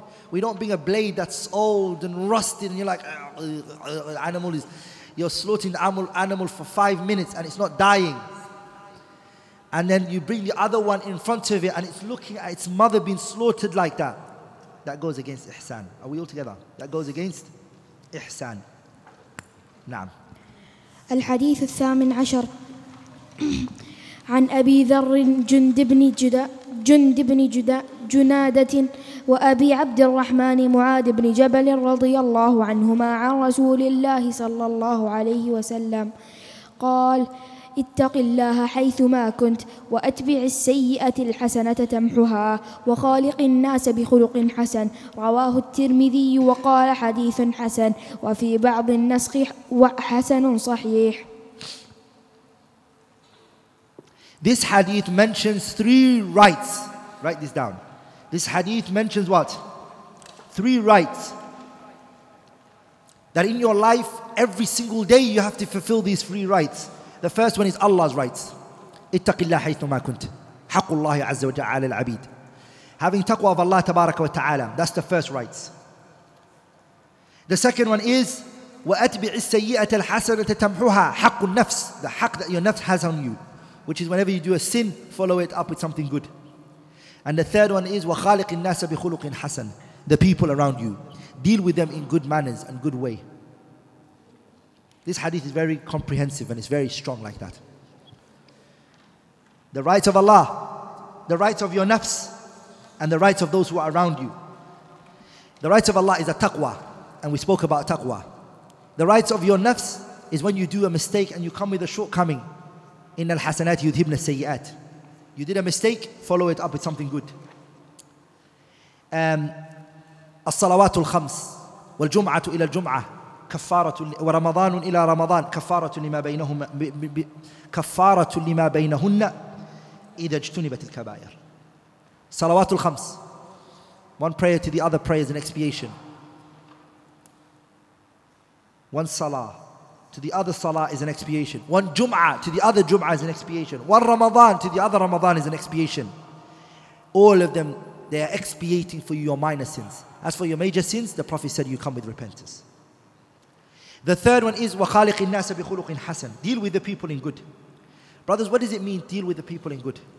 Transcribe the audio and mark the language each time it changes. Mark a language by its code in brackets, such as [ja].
[en] We don't bring a blade that's old and rusted and you're like, animal is, you're slaughtering the animal for 5 minutes and it's not dying. And then you bring the other one in front of it and it's looking at its mother being slaughtered like that. That goes against ihsan. Are we all together? That goes against ihsan. Naam. [ar] Al-Hadith al-Thamin Ashar عن أبي ذر جند بن جنادة وأبي عبد الرحمن معاذ بن جبل رضي الله عنهما عن رسول الله صلى الله عليه وسلم قال اتق الله حيثما كنت وأتبع السيئة الحسنة تمحها وخالق الناس بخلق حسن رواه الترمذي وقال حديث حسن وفي بعض النسخ وحسن صحيح [en] This hadith mentions three rights. Write this down. This hadith mentions what? Three rights. That in your life, every single day, you have to fulfill these three rights. The first one is Allah's rights. [ar] اتَّقِ اللَّهَ حَيْثُ مَا كُنْتِ حَقُّ اللَّهِ عَزَّ وَجَعَالَ الْعَبِيدِ [en] Having taqwa of Allah tabaraka wa ta'ala. That's the first rights. The second one is [ar] وَأَتْبِعِ السَّيِّئَةَ الْحَسَنَةَ تَمْحُهَا حَقُّ النَّفْسِ [en] The haqq that your nafs has on you. Which is whenever you do a sin, follow it up with something good. And the third one is, [ar] وَخَالِقِ النَّاسَ بِخُلُقٍ حَسَنٍ [en] The people around you. Deal with them in good manners and good way. This hadith is very comprehensive and it's very strong like that. The rights of Allah, the rights of your nafs, and the rights of those who are around you. The rights of Allah is a taqwa, and we spoke about taqwa. The rights of your nafs is when you do a mistake and you come with a shortcoming. [ar] إِنَّ الْحَسَنَاتِ يُذْهِبْنَ السَّيِّئَاتِ [en] You did a mistake, follow it up with something good. [ar] الصَّلَوَاتُ الْخَمْسِ وَالْجُمْعَةُ إِلَى الْجُمْعَةِ كَفَّارَةٌ وَرَمَضَانٌ إِلَى رَمَضَانٍ كَفَّارَةٌ لِمَا بَيْنَهُنَّ إِذَا اجْتُنِبَتِ الْكَبَائِرِ صَلَوَاتُ الْخَمْسِ [en] One prayer to the other prayer is an expiation. One salah. To the other salah is an expiation. One jum'ah to the other jum'ah is an expiation. One Ramadan to the other Ramadan is an expiation. All of them, they are expiating for you your minor sins. As for your major sins, the Prophet said you come with repentance. The third one is, [ar] وَخَالِقِ النَّاسَ بِخُلُقٍ حَسَنٍ [en] Deal with the people in good. Brothers, what does it mean, deal with the people in good?